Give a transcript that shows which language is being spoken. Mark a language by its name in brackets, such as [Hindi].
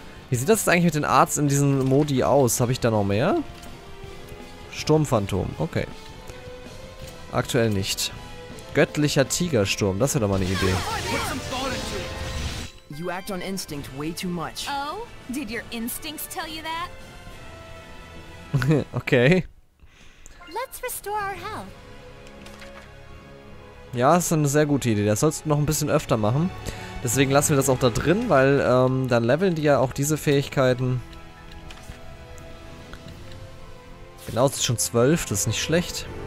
[German] Wie sieht das jetzt eigentlich mit den Arts in diesen Modi aus? Habe ich da noch mehr? Sturmphantom, okay. Aktuell nicht. Göttlicher Tigersturm, das wäre doch mal eine Idee. [English] You act on instinct way too much. Oh, did your instincts tell you that? Okay. Let's restore our health. [German] Ja, ist eine sehr gute Idee. Das sollst du noch ein bisschen öfter machen. Deswegen lassen wir das auch da drin, weil dann leveln die ja auch diese Fähigkeiten. Genau, es ist schon 12, das ist nicht schlecht.